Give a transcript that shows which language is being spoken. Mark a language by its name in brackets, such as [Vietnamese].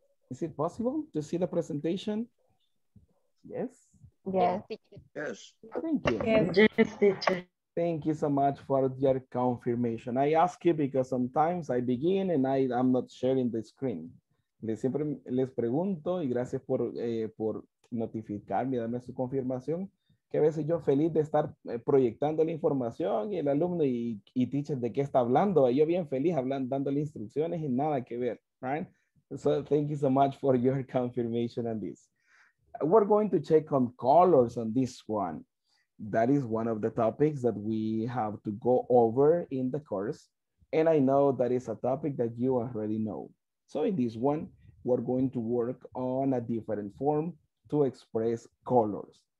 [English] Is it possible to see the presentation? Yes? Yes. Thank you. Yes, teacher. Thank you so much for your confirmation. I ask you because sometimes I begin and I'm not sharing the screen. [Spanish] Siempre les pregunto y gracias por notificarme, darme su confirmación. Que a veces yo feliz de estar proyectando la información y el alumno y teacher de qué está hablando. Yo bien feliz hablando, dándole instrucciones y nada que ver, right? [English] So thank you so much for your confirmation on this. We're going to check on colors on this one. That is one of the topics that we have to go over in the course. And I know that is a topic that you already know. So in this one, we're going to work on a different form to express colors.